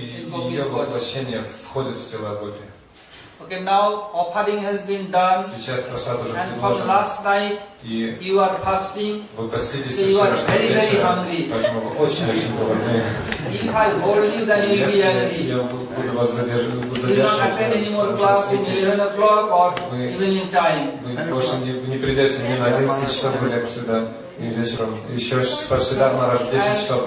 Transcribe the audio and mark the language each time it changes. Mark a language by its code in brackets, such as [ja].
[ru] воплощение входит в тело Гопи. [en] Okay, now offering has been done. [ru] Сейчас просад уже [en] предложен. And from last night, you are fasting. [ru] Вы постились со вчерашнего вечера. Поэтому вы очень-очень голодны. [en] If I hold you, then you'll be angry. [ru] Я буду вас задерживать. [en] You will not attend any more class in 11 o'clock or evening time. [ru] Вы больше не придете ни на 11 часов в лекцию, да, и вечером. Еще парсидарма раз в 10 часов